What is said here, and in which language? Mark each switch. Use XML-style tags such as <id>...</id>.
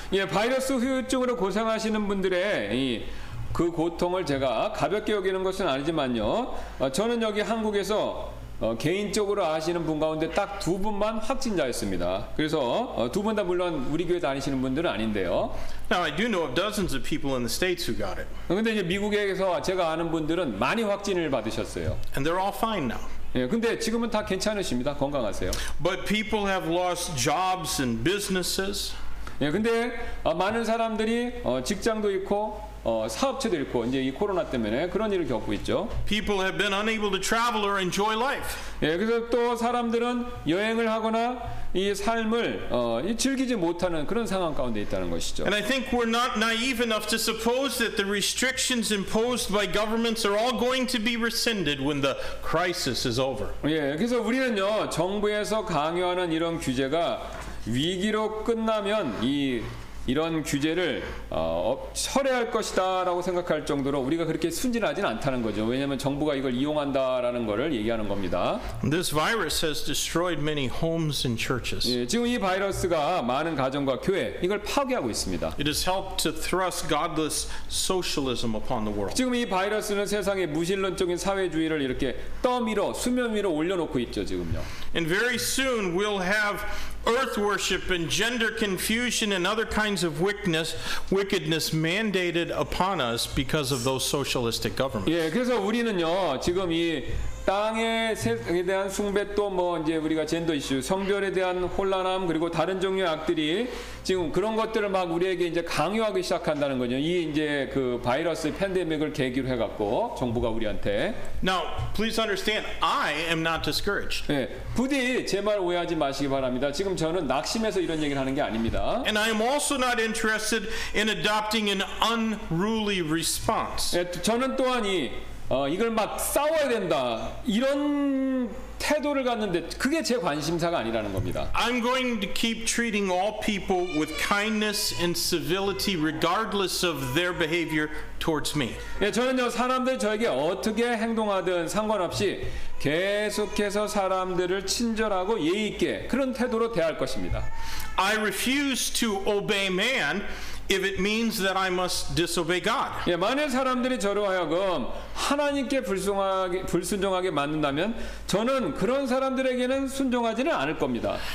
<ko>예, 바이러스 후유증으로 고생하시는 분들의 이 그 고통을 제가 가볍게 여기는 것은 아니지만요. 저는 여기 한국에서 개인적으로 아시는 분 가운데 딱 두 분만 확진자였습니다. 그래서 두 분 다 물론 우리 교회 다니시는 분들은 아닌데요.</ko> <en>Now I do know of dozens of people in the States who got it.</en> <ko>근데 이제 미국에서 제가 아는 분들은 많이 확진을 받으셨어요.</ko> <en>And they're all fine now.</en> <ko>예, 근데 지금은 다 괜찮으십니다. 건강하세요.</ko> <en>But people have lost jobs and businesses.</en> <ko>예, 근데 많은 사람들이 직장도 잃고 사업체도 잃고 이제 이 코로나 때문에 그런 일을 겪고 있죠.</ko> <en>People have been unable to travel or enjoy life.</en> <ko>예, 그래서 또 사람들은 여행을 하거나 이 삶을 즐기지 못하는 그런 상황 가운데 있다는 것이죠.</ko> <en>And I think we're not naive enough to suppose that the restrictions imposed by governments are all going to be rescinded when the crisis is over.</en> <ko>예, 그래서 우리는요 정부에서 강요하는 이런 규제가 위기로 끝나면 이 이런 규제를 철회할 것이다라고 생각할 정도로 우리가 그렇게 순진하진 않다는 거죠. 왜냐하면 정부가 이걸 이용한다라는 것을 얘기하는 겁니다.</ko> <en>This virus has destroyed many homes and churches.</en> <ko>예, 지금 이 바이러스가 많은 가정과 교회 이걸 파괴하고 있습니다.</ko> <en>It has helped to thrust godless socialism upon the world.</en> <ko>지금 이 바이러스는 세상에 무신론적인 사회주의를 이렇게 떠밀어 수면 위로 올려놓고 있죠, 지금요.</ko> <en>And very soon we'll have earth worship and gender confusion and other kinds of wickedness mandated upon us because of those socialistic governments.</en> <ko>예, 그래서 우리는요 지금 이 땅에 대한 숭배 또 뭐 이제 우리가 젠더 이슈, 성별에 대한 혼란함 그리고 다른 종류의 악들이 지금 그런 것들을 막 우리에게 이제 강요하기 시작한다는 거죠. 이 이제 그 바이러스 팬데믹을 계기로 해갖고 정부가 우리한테.</ko> <en>Now, please understand, I am not discouraged.</en> <ko>예, 부디 제 말 오해하지 마시기 바랍니다. 지금 저는 낙심해서 이런 얘기를 하는 게 아닙니다.</ko> <en>And I am also not interested in adopting an unruly response.</en> <ko>예, 저는 또한 이 이걸 막 싸워야 된다 이런 태도를 갖는데 그게 제 관심사가 아니라는 겁니다.</ko> <en>I'm going to keep treating all people with kindness and civility regardless of their behavior towards me.</en> <ko>예, 저는요 사람들 저에게 어떻게 행동하든 상관없이 계속해서 사람들을 친절하고 예의 있게 그런 태도로 대할 것입니다.</ko> <en>I refuse to obey man if it means that I must disobey God.</en> <ko>예, 많은 사람들이 저로 하여금 하나님께 불순종하게 만든다면 저는 그런 사람들에게는 순종하지는 않을 겁니다.</ko>